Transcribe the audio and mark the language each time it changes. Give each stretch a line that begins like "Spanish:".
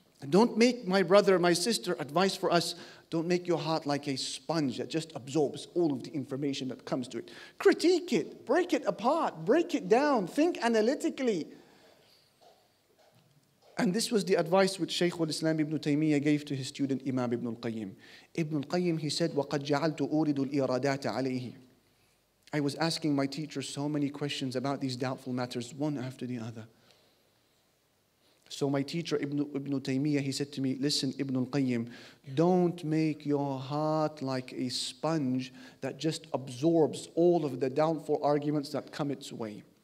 English: Don't make, my brother, my sister, advice for us, don't make your heart like a sponge that just absorbs all of the information that comes to it. Critique it, break it apart, break it down, think analytically. And this was the advice which Shaykh al-Islam ibn Taymiyyah gave to his student Imam ibn al-Qayyim. Ibn al-Qayyim, he said,
Arabic: وَقَدْ جَعَلْتُ أُورِدُ الْإِرَادَاتَ عَلَيْهِ.
English: I was asking my teacher so many questions about these doubtful matters, one after the other. So my teacher, Ibn Taymiyyah, he said to me, listen, Ibn al-Qayyim, don't make your heart like a sponge that just absorbs all of the doubtful arguments that come its way.